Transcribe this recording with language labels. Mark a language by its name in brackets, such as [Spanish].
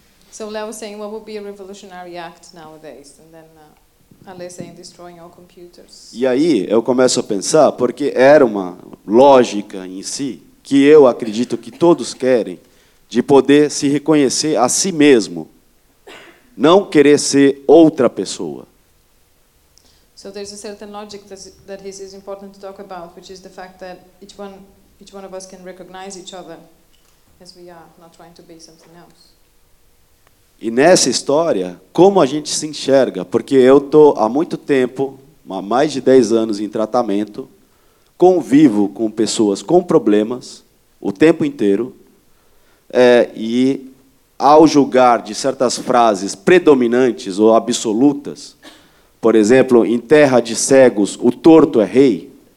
[English] So Leo was saying what would be a revolutionary act nowadays, and then Ale saying destroying all computers. [Portuguese] E aí eu começo a pensar porque era uma lógica em si que eu acredito que todos querem de poder se reconhecer a si mesmo, não querer ser outra pessoa. [English] So there's a certain logic that is important to talk about, which is the fact that each one of us can recognize each other as we are, not trying to be something else. [Portuguese] E nessa história, como a gente se enxerga? Porque eu tô há muito tempo, há mais de 10 anos em tratamento, convivo com pessoas com problemas o tempo inteiro, e ao julgar de certas frases predominantes ou absolutas, por exemplo, em terra de cegos, o torto é rei.